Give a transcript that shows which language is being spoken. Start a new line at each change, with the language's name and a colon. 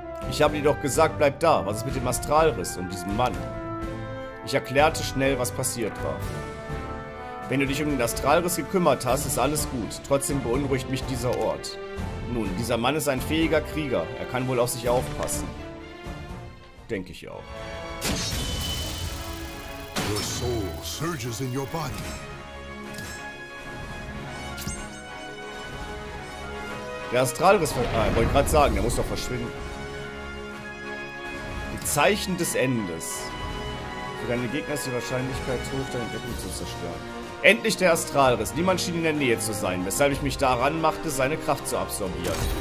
German: Ich habe dir doch gesagt, bleib da. Was ist mit dem Astralriss und diesem Mann? Ich erklärte schnell, was passiert war. Wenn du dich um den Astralriss gekümmert hast, ist alles gut. Trotzdem beunruhigt mich dieser Ort. Nun, dieser Mann ist ein fähiger Krieger. Er kann wohl auf sich aufpassen. Denke ich auch.
English: Your soul surges in your body.
German: Der Astralriss verschwindet. Wollte ich gerade sagen, der muss doch verschwinden. Zeichen des Endes. Für deine Gegner ist die Wahrscheinlichkeit hoch, deine Deckung zu zerstören. Endlich der Astralriss. Niemand schien in der Nähe zu sein, weshalb ich mich daran machte, seine Kraft zu absorbieren.